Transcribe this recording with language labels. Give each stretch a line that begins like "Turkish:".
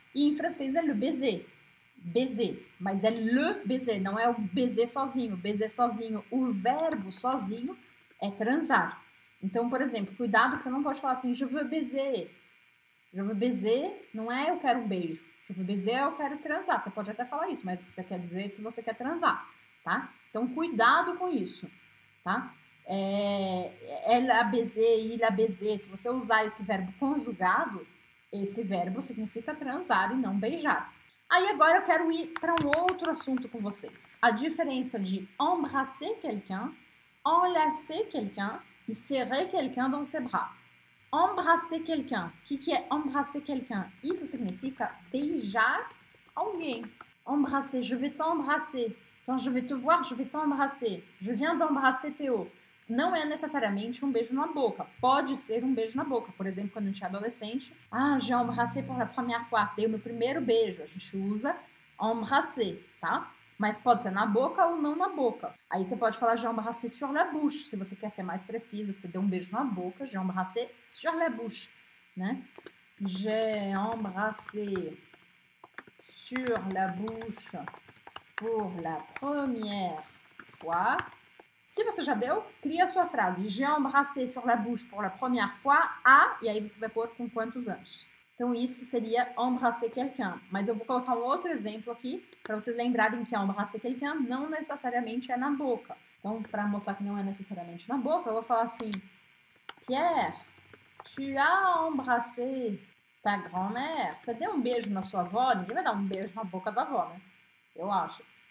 Portuguese: E em francês é le baiser, baiser, mas é le baiser, não é o baiser sozinho, o verbo sozinho. É transar. Então, por exemplo, cuidado que você não pode falar assim,
French: je veux baiser. Je veux baiser
Portuguese: não é eu quero um beijo.
French: Je veux baiser
Portuguese: é eu quero transar. Você pode até falar isso, mas você quer dizer que você quer transar, tá? Então, cuidado com isso, tá?
French: Elle a baiser, il a baiser.
Portuguese: Se você usar esse verbo conjugado, esse verbo significa transar e não beijar. Aí agora eu quero ir para um outro assunto com vocês. A diferença de embrasser quelqu'un, enlacer quelqu'un e serrer quelqu'un dans ses bras.
French: Embrasser quelqu'un.
Portuguese: Que é
French: embrasser quelqu'un?
Portuguese: Isso significa beijar alguém.
French: Embrasser, je vais t'embrasser. Quand je vais te voir, je vais t'embrasser. Je viens d'embrasser Théo.
Portuguese: Não é necessariamente um beijo na boca. Pode ser um beijo na boca. Por exemplo, quando a gente é adolescente.
French: Ah, j'ai embrassé pour la première fois.
Portuguese: Dei o meu primeiro beijo. A gente usa embrasser, tá? Mas pode ser na boca ou não na boca. Aí você pode falar
French: j'embrassé sur la bouche,
Portuguese: se você quer ser mais preciso, que você deu um beijo na boca, j'embrassé sur la bouche, né?
French: J'ai embrassé sur la bouche pour la première fois.
Portuguese: Se você já deu, cria a sua frase.
French: J'ai embrassé sur la bouche pour la première fois à,
Portuguese: e aí você vai pôr com quantos anos? Então, isso seria embrasser quelqu'un. Mas eu vou colocar um outro exemplo aqui para vocês lembrarem que embrasser quelqu'un não necessariamente é na boca. Então, para mostrar que não é necessariamente na boca, eu vou falar assim:
French: Pierre, tu as embrassé ta grand-mère?
Portuguese: Você deu um beijo na sua avó? Ninguém vai dar um beijo na boca da avó, né? Eu acho.